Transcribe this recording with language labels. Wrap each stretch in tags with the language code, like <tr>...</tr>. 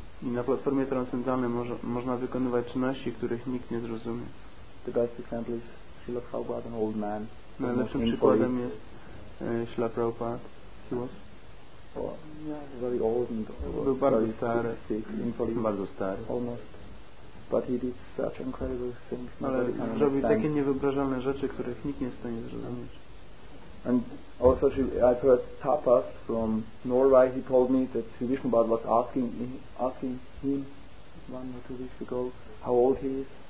<pl>I na platformie transcendentalnej można wykonywać czynności, których nikt nie zrozumie.</pl> <en>The best example is Srila Prabhupada, an old man.</en> <pl>Najlepszym przykładem jest Srila Prabhupada.</pl> <en>He was very old and</en> <pl>Był bardzo stary.</pl> <en>Almost. But he did such incredible things.</en> <pl>Ale zrobił takie niewyobrażalne rzeczy, których nikt nie jest w stanie zrozumieć.</pl> <en>And also I've heard tapas from Norway. He told me that Sri Vishnupad was asking him 1 or 2 weeks ago how old he is.</en>